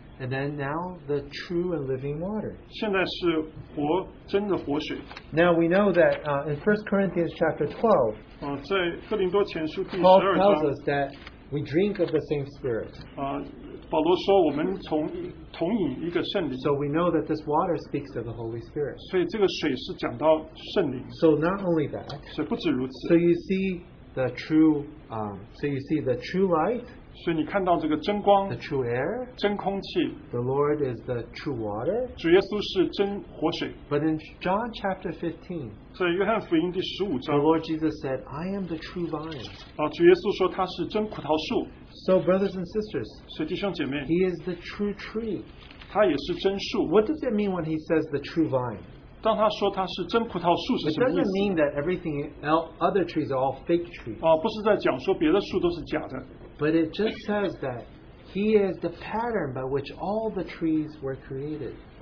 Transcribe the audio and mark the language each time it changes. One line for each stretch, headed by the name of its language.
English: and then now the true and living water.
Chinese: 现在是活, 真的活水。
English: Now we know that in 1 Corinthians chapter 12,
Chinese: 在哥林多前书第12章,
English: Paul tells us that we drink of the same spirit.
Chinese: 保罗说我们同饮一个圣灵,
English: so we know that this water speaks of the Holy Spirit.
Chinese: 所以这个水是讲到圣灵,
English: so not only that,
Chinese: 是不止如此,
English: so you see the true, so you see the true light,
Chinese: 所以你看到这个真光,
English: the true air,
Chinese: 真空气,
English: the Lord is the true water,
Chinese: 主耶稣是真活水,
English: but in John chapter 15,
Chinese: 所以约翰福音第15章,
English: the Lord Jesus said, I am the true vine.
Chinese: 主耶稣说他是真葡萄树,
English: so brothers and sisters,
Chinese: 所以弟兄姐妹,
English: he is the true tree.
Chinese: 他也是真树.
English: What does it mean when he says the true vine?
Chinese: 当他说他是真葡萄树是什么意思?
English: It doesn't mean that everything else, other trees are all fake trees.
Chinese: 不是在讲说别的树都是假的。
English: But it just says that he is the pattern by which all the trees were created.